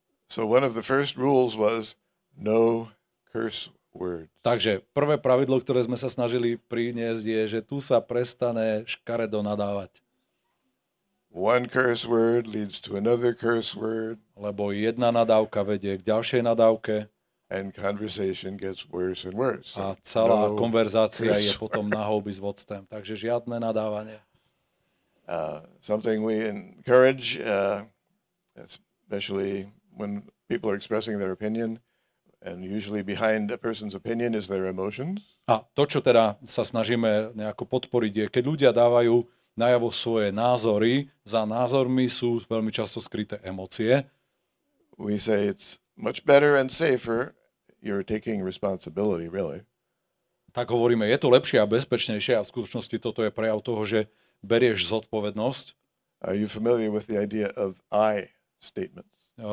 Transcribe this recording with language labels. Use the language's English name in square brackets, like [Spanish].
[English] So one of the first rules was no curse words. [Slovak] Takže prvé pravidlo, ktoré sme sa snažili priniesť, je, že tu sa prestane škaredo nadávať. [English] One curse word leads to another curse word. [Slovak] Lebo jedna nadávka vedie k ďalšej nadávke. [English] And conversation gets worse and worse. [Slovak] A celá no konverzácia je potom [Czech] na houby s vodstvem. [Slovak] Takže žiadne nadávanie. [English] Something we encourage, especially when people are expressing their opinion, and usually behind a person's opinion is their emotions. [Slovak] A to, čo teda sa snažíme nejako podporiť, je, keď ľudia dávajú najavo svoje názory, za názormi sú veľmi často skryté emócie. [English] We say it's much better and safer you're taking responsibility, really. [Slovak] Tak hovoríme, je to lepšie a bezpečnejšie, a v skutočnosti toto je prejav toho, že berieš zodpovednosť. [English] Are you familiar with the idea of I statements?